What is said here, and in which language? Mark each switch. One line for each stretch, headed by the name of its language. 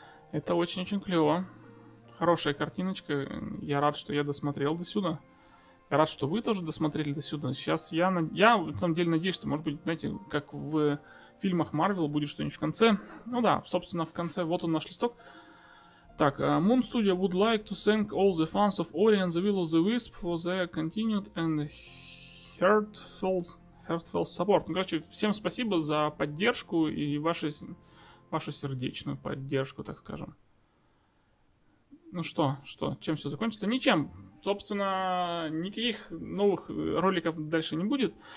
Russian: Это очень-очень клево. Хорошая картиночка. Я рад, что я досмотрел до сюда. Я рад, что вы тоже досмотрели до сюда. Сейчас я на самом деле надеюсь, что, может быть, знаете, как в фильмах Marvel будет что-нибудь в конце. Ну да, собственно, в конце. Вот он наш листок.
English: Так, Moon Studio would like to thank all the fans of Ori and the Will of the Wisp for their continued and heartfelt support.
Russian: Ну, короче, всем спасибо за поддержку и вашу сердечную поддержку, так скажем. Ну что, чем все закончится? Ничем. Собственно, никаких новых роликов дальше не будет.